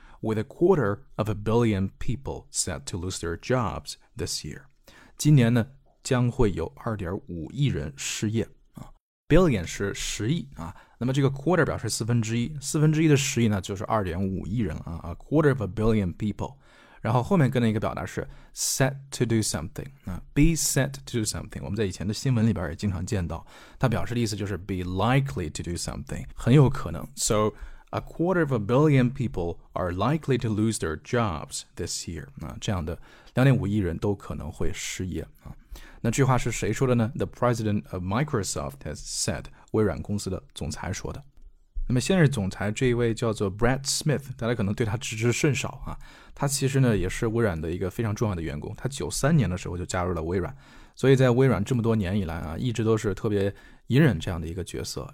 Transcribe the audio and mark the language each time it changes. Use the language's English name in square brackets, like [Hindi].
[English] With a quarter of a billion people set to lose their jobs this year. [Chinese] 今年呢将会有 2.5 亿人失业。 Billion 是十亿。那么这个 quarter 表示四分之一。四分之一的十亿呢就是 2.5 亿人。 [English] A quarter of a billion people. [Chinese] 然后后面跟了一个表达是 [English] set to do something. Be set to do something. [Chinese] 我们在以前的新闻里边也经常见到。它表示的意思就是 [English] be likely to do something. [Chinese] 很有可能。 [English] So,A quarter of a billion people are likely to lose their jobs this year. [Chinese] 这样的 2.5 亿人都可能会失业。那句话是谁说的呢？ [English] The president of Microsoft has said, [Chinese] 微软公司的总裁说的。那么现任总裁这一位叫做 Brad Smith， 大家可能对他知之甚少啊。他其实呢也是微软的一个非常重要的员工，他93年的时候就加入了微软，所以在微软这么多年以来啊，一直都是特别隐忍这样的一个角色。